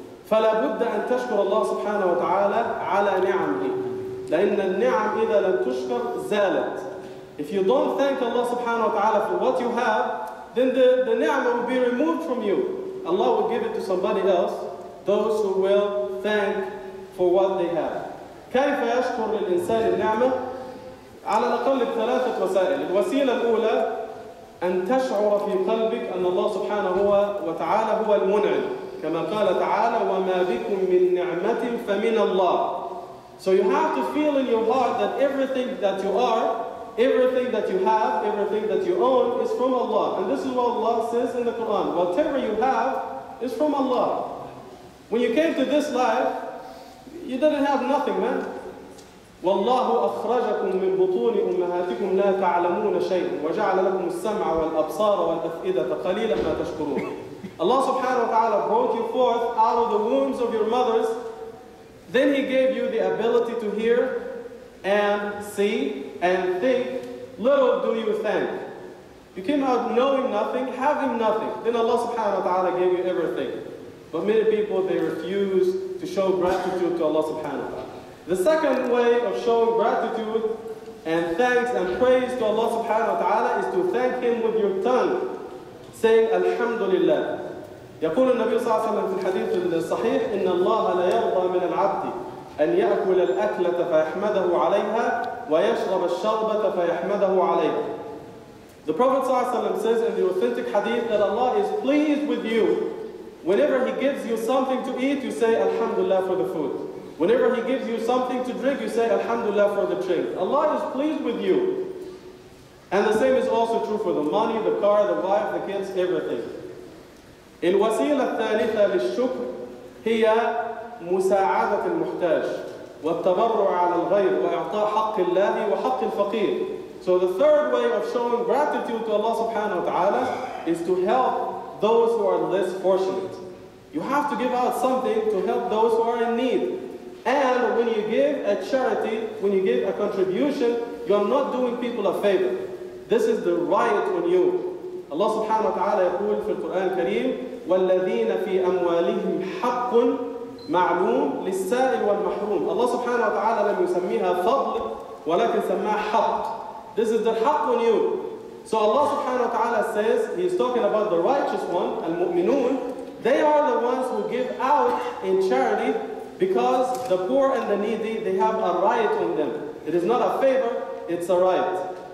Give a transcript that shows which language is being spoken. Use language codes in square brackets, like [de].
[ar] فَلَا بُدَّ أَن تَشْكُرَ اللَّهُ سُبْحَانَهُ وَتَعَالَى عَلَى نِعَمْهِ لَإِنَّ النِّعَمْ إِذَا لَمْ تُشْكَرْ زَالَتْ. [en] If you don't thank Allah subhanahu wa ta'ala for what you have, then the ni'mah will be removed from you. Allah will give it to somebody else, those who will thank for what they have. [ar] كيف يشكر الإنسان النعمة؟ على الأقل ثلاثة وسائل. الوسيلة الأولى أن تشعر في قلبك أن الله سبحانه وتعالى هو المنعم. كما قال تعالى وما بكم من نعمة فمن الله. [en] So you have to feel in your heart that everything that you are, everything that you have, everything that you own is from Allah. And this is what Allah says in the Quran. Whatever you have is from Allah. When you came to this life, you didn't have nothing, man. [ar] وَاللَّهُ أَخْرَجَكُمْ مِنْ بُطُونِ أُمَّهَاتِكُمْ لَا تَعْلَمُونَ شَيْءٍ وَجَعَلَ لَكُمُ السَّمْعَ وَالْأَبْصَارَ وَالْأَفْئِدَةَ قَلِيلًا مَا تَشْكُرُونَ. [en] Allah subhanahu wa ta'ala brought you forth out of the wombs of your mothers. Then He gave you the ability to hear and see and think, little do you thank. You came out knowing nothing, having nothing. Then Allah subhanahu wa ta'ala gave you everything. But many people, they refuse to show gratitude to Allah subhanahu wa ta'ala. The second way of showing gratitude and thanks and praise to Allah subhanahu wa ta'ala is to thank Him with your tongue. saying alhamdulillah. [ar] يقول النبي صلى الله عليه وسلم في الحديث الصحيح إن الله لا يرضى من العبد أن يأكل الأكلة فيحمده عليها ويشرب الشربة فيحمده عليها. [en] The Prophet صلى الله عليه وسلم says in the authentic hadith that Allah is pleased with you whenever He gives you something to eat, you say alhamdulillah for the food. Whenever He gives you something to drink, you say alhamdulillah for the drink. Allah is pleased with you. And the same is also true for the money, the car, the wife, the kids, everything. [ar] الوسيلة الثالثة للشكر هي مساعدة المحتاج والتبرع على الغير وإعطاء حق الله وحق الفقير. [en] So the third way of showing gratitude to Allah subhanahu wa ta'ala is to help those who are less fortunate. You have to give out something to help those who are in need. And when you give a charity, when you give a contribution, you're not doing people a favor. This is the right on you. [ar] Allah subhanahu wa ta'ala يقول في القرآن الكريم والذين في أموالهم حق معلوم للسائل والمحروم. Allah subhanahu wa ta'ala لم يسميها فضل ولكن سماها حق. [en] This is the حق on you. So Allah subhanahu wa ta'ala says, He's talking about the righteous one, المؤمنون. They are the ones who give out in charity because the poor and the needy, they have a right on them. It is not a favor, it's a right.